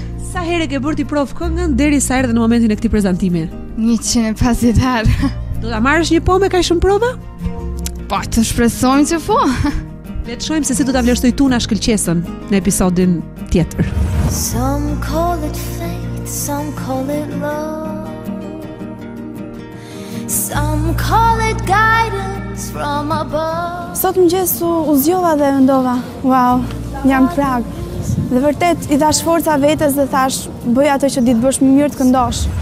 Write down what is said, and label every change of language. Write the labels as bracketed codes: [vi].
[sq] Sa herë ke bërë ti prov këngën deri sa erdhe në momentin e këtij prezantimi? 150 herë. Do ta marrësh një po me kaq shumë prova? Po, të shpresojmë që po. Le të shohim se si do ta vlerësoj tu na shkëlqesën në episodin tjetër. [en] Some call it fate, some call it love. Some call it guidance from above. [sq] Sot mëngjes u zgjova dhe mendova, wow. Jam prag. Dhe vërtet i dhash forca vetes dhe thash bëj atë që ditë bësh më mirë të këndosh.